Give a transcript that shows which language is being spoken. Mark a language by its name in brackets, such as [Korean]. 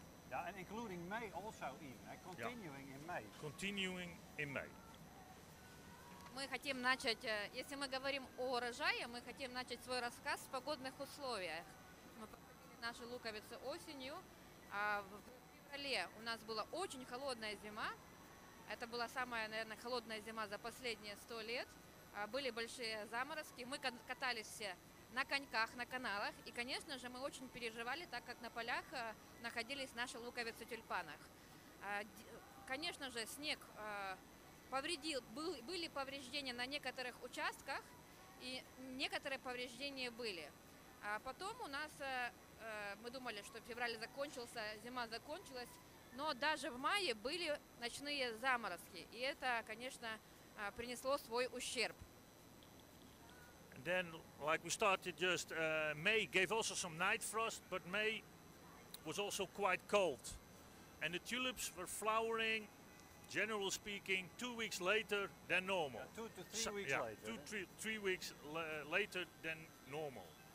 [English] Yeah, and including May also, even continuing in May. Continuing in May. [Russian] Мы хотим начать, если мы говорим о урожае, мы хотим начать свой рассказ с погодных условиях. Мы посадили наши луковицы осенью, а в феврале у нас была очень холодная зима. Это была самая, наверное, холодная зима за последние 100 лет. Были большие заморозки, мы катались все на коньках, на каналах, и, конечно же, мы очень переживали, так как на полях находились наши луковицы тюльпанах. Конечно же, снег повредил, были повреждения на некоторых участках, и некоторые повреждения были. А потом у нас, мы думали, что февраль закончился, зима закончилась, но даже в мае были ночные заморозки, и это, конечно, принесло свой ущерб. [English] And then, like we started just, May gave also some night frost, but May was also quite cold. And the tulips were flowering, generally speaking, 2 weeks later than normal. Yeah, 2 to 3 weeks later. 2 to 3 weeks later than normal.